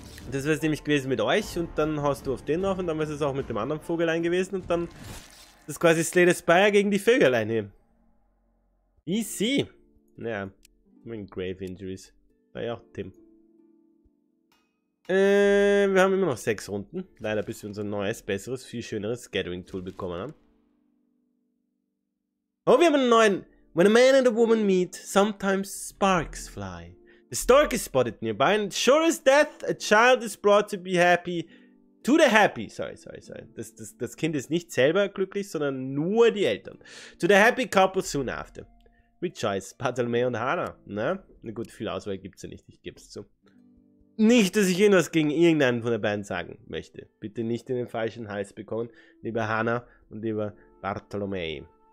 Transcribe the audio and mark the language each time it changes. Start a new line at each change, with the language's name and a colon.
German: Das wäre es nämlich gewesen mit euch und dann haust du auf den drauf und dann wäre es auch mit dem anderen Vogel ein gewesen und dann ist quasi Slay the Spire gegen die Vögel ein hier. Easy. Naja, mit Grave Injuries. Naja, Tim. Wir haben immer noch 6 Runden. Leider bis wir unser neues, besseres, viel schöneres Gathering Tool bekommen haben. Oh, wir haben einen neuen.
English: When a man and a woman meet, sometimes sparks fly. The stork is spotted nearby and sure as death, a child is brought to be happy. To the happy, sorry.
German: Das Kind ist nicht selber glücklich, sondern nur die Eltern.
English: To the happy couple soon after.
German: Rejoice, Bartolomeo und Hannah. Na? Na gut, viel Auswahl gibt's ja nicht, ich geb's zu. Nicht, dass ich irgendwas gegen irgendeinen von der beiden sagen möchte. Bitte nicht in den falschen Hals bekommen, lieber Hannah und lieber Bartolomeo.